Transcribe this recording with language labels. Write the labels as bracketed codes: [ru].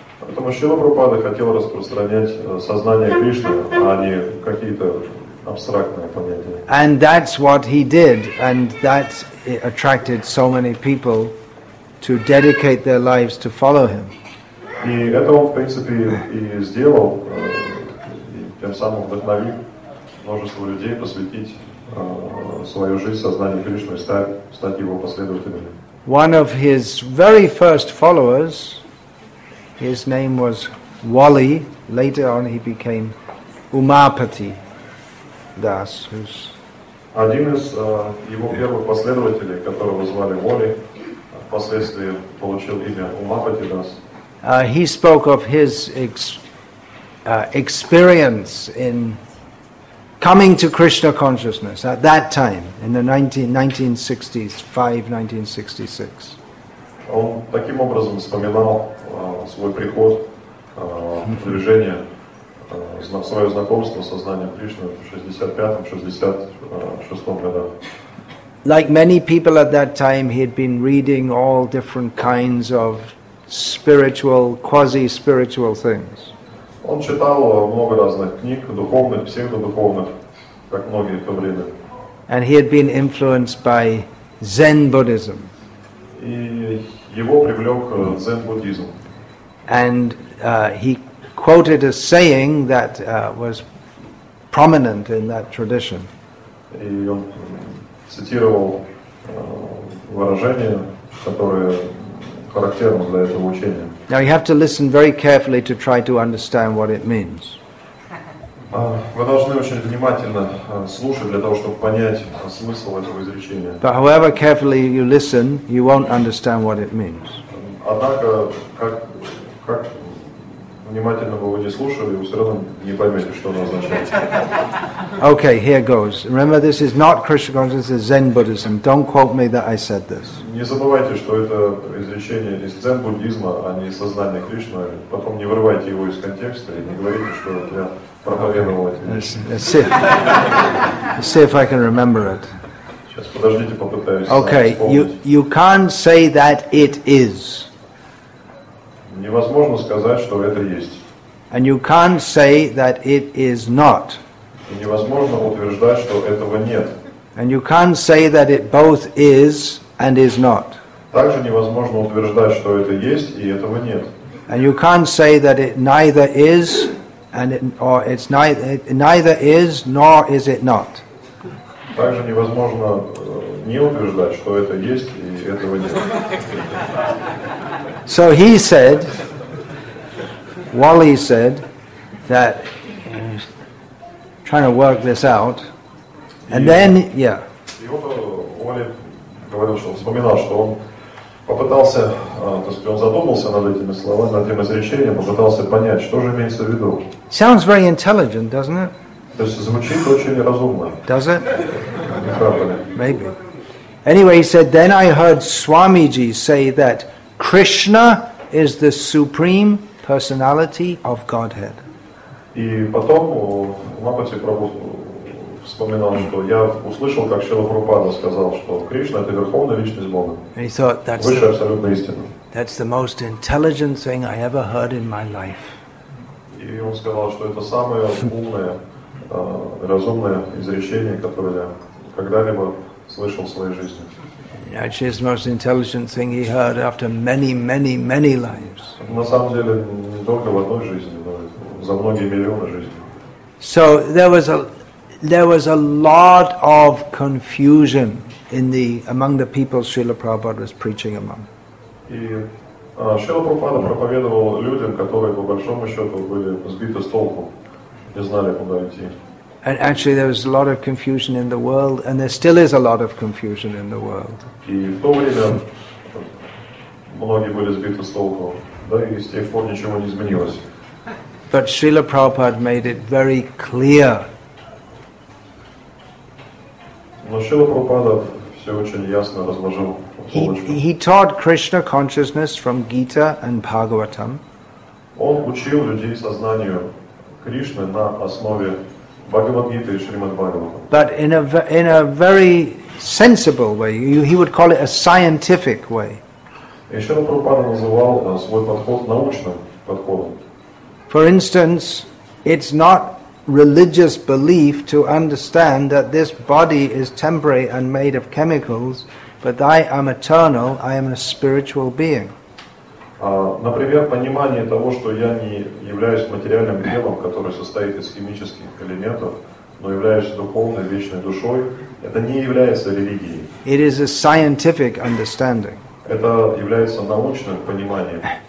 [ru] Потому что Шрила Прабхупада хотел распространять сознание Кришны, а не какие-то абстрактные понятия. [en] And that's what he did, and that attracted so many people to dedicate their lives to follow him. [ru] И это он, в принципе, и сделал, и тем самым вдохновил множество людей посвятить свою жизнь сознанию Кришны и стать его последователями. [en] One of his very first followers, his name was Wali. Later on, he became Umapati Das, who's [ru] один из его первых последователей, которого звали Wali, впоследствии получил имя Умапати Das. [en] He spoke of his experience in coming to Krishna consciousness at that time in the 1965-1966. [ru] Он таким образом вспоминал свой приход в движение, свое знакомство с сознанием Кришны в 65-66 годах. [en] Like many people at that time, he had been reading all different kinds of spiritual, quasi-spiritual things. [ru] Он читал много разных книг, духовных, псевдодуховных, как многие в то время. [en] And he had been influenced by Zen Buddhism. [ru] И его привлек дзен-буддизм. [en] And he quoted a saying that was prominent in that tradition. [ru] И он цитировал выражение, которое характерно для этого учения. [en] Now you have to listen very carefully to try to understand what it means. [ru] Вы должны очень внимательно слушать для того, чтобы понять смысл этого изречения. [en] But however carefully you listen, you won't understand what it means. [ru] Однако, как внимательно бы вы не слушали, вы все равно не поймете, что оно означает. [en] Okay, here goes. Remember, this is not Krishna consciousness, this is Zen Buddhism. Don't quote me that I said this. [ru] Не забывайте, что это изречение из дзен-буддизма, а не из сознания Кришны. Потом не вырывайте его из контекста и не говорите, что я... [en] Let's see if I can remember it. [ru] Сейчас подождите, попытаюсь. [en] Okay, you can't say that it is. [ru] Невозможно сказать, что это есть. [en] And you can't say that it is not. [ru] И невозможно утверждать, что этого нет. [en] And you can't say that it both is and is not. [ru] Также невозможно утверждать, что это есть и этого нет. [en] And you can't say that it neither is. And it's neither is nor is it not. [ru] Также невозможно не утверждать, что это есть и этого нет. [en] So he said, Wally said, that trying to work this out, and then yeah. [ru] И вот Wally говорил, что вспоминал, что он попытался, то есть он задумался над этими словами, над этим изречением, попытался понять, что же имеется в виду. [en] Sounds very intelligent, doesn't it? [ru] То есть звучит очень разумно. [en] Does it? [ru] Не правда ли? [en] Maybe. Anyway, he said, then I heard Swamiji say that Krishna is the supreme personality of Godhead. [ru] И потом Мапати Прабху вспоминал, что я услышал, как Шрила Прабхупада сказал, что Кришна — это верховная личность Бога. [en] And he thought, that's [ru] высшая абсолютная истина. [en] That's the most intelligent thing I ever heard in my life. [ru] И он сказал, что это самое умное, разумное изречение, которое я когда-либо слышал в своей жизни. [en] Actually, it's the most intelligent thing he heard after many, many, many lives. [ru] На самом деле, не только в одной жизни, но за многие миллионы жизней. [en] So there was a lot of confusion among the people Srila Prabhupada was preaching among. [ru] Шрила Прабхупада проповедовал людям, которые по большому счету были сбиты с толку, не знали, куда идти. [en] And actually there was a lot of confusion in the world, and there still is a lot of confusion in the world. [ru] И в то время многие были сбиты с толку, да и с тех пор ничего не изменилось. [en] But Srila Prabhupada made it very clear. [ru] Но Шрила Прабхупада все очень ясно разложил. [en] He taught Krishna consciousness from Gita and Bhagavatam. [ru] Он учил людей сознанию Кришны на основе Bhagavad-gita и Шримад-Бхагаватам. [en] But in a very sensible way, he would call it a scientific way. [ru] И Шрила Прабхупада называл свой подход научным подходом. [en] For instance, it's not religious belief to understand that this body is temporary and made of chemicals, but I am eternal, I am a spiritual being. [ru] Например, понимание того, что я не являюсь материальным телом, которое состоит из химических элементов, но являюсь духовной, вечной душой, это не является религией. [en] It is a scientific understanding. [ru] Это является научным пониманием.